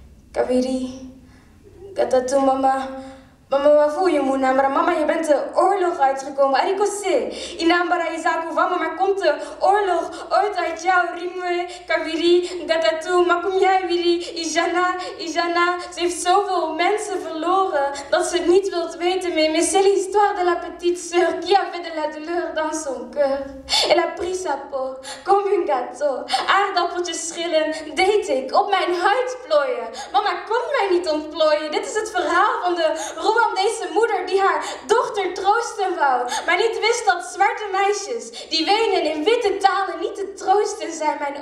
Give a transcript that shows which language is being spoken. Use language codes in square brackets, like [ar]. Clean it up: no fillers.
[rn] Kaviri, Katatou, [nl] mama. Mama, wat voel je, Moenambara? Mama, je bent de oorlog uitgekomen. [rn] Arikose, Inambara, Isaku, [nl] mama. Maar komt de oorlog ooit uit jou? [rn] Rimwe, Kaviri, Katatou, Makumia, Wiri, Ijana, Ijana. [nl] Ze heeft zoveel mensen verloren dat ze het niet wilt weten. [fr] Mais c'est l'histoire de la petite sœur qui avait de la douleur dans son cœur. Elle a pris sa peau, comme un gâteau. [nl] Aardappeltjes schillen, deed ik, op mijn huid plooien. Mama, kon mij niet ontplooien. Dit is het verhaal van de Rwandese moeder die haar dochter troosten wou, maar niet wist dat zwarte meisjes die wenen in witte talen niet te troosten zijn.